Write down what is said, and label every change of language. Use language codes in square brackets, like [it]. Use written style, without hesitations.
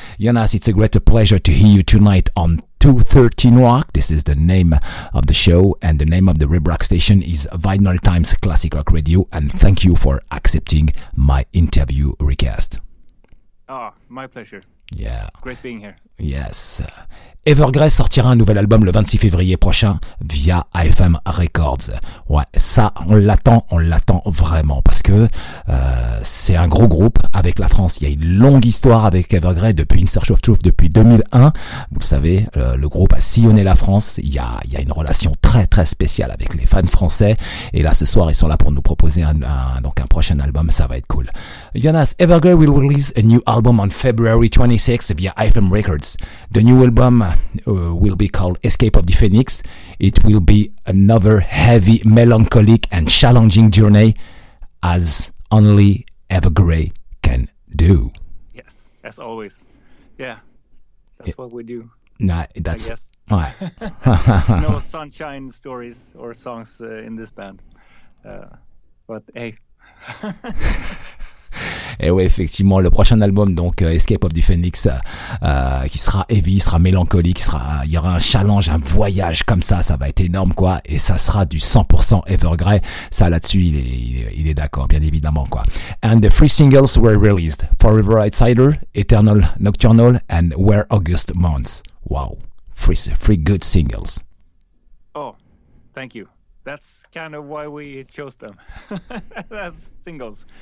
[en] Jonas, it's a great pleasure to hear you tonight on 213 Rock. This is the name of the show, and the name of the Rib Rock Station is Vinyl Times Classic Rock Radio, and thank you for accepting my interview request. Ah, my pleasure. Yeah. Great being here. Yes. [fr] Evergrey sortira un nouvel album le 26 février prochain via AFM Records. Ouais, ça, on l'attend vraiment parce que c'est un gros groupe avec la France. Il y a une longue histoire avec Evergrey depuis In Search of Truth, depuis 2001. Vous le savez, le groupe a sillonné la France. Il y a une relation très très spéciale avec les fans français. Et là, ce soir, ils sont là pour nous proposer un prochain album. Ça va être cool. [en] Jonas, Evergrey will release a new album on February 26 via AFM Records. The new album will be called Escape of the Phoenix. It will be another heavy, melancholic and challenging journey as only Evergrey can do. Yes, as always. Yeah, that's what we do. Nah, that's why. No sunshine stories or songs in this band. But hey. [fr] Et oui, effectivement, le prochain album, donc Escape of the Phoenix, qui sera heavy, sera mélancolique, il y aura un challenge, un voyage comme ça, ça va être énorme, quoi, et ça sera du 100% Evergrey. Ça, là-dessus, il est d'accord, bien évidemment, quoi. [en] And the three singles were released: Forever Outsider, Eternal Nocturnal, and Where August Mourns. Wow, three good singles. Oh, thank you. That's kind of why we chose them as singles.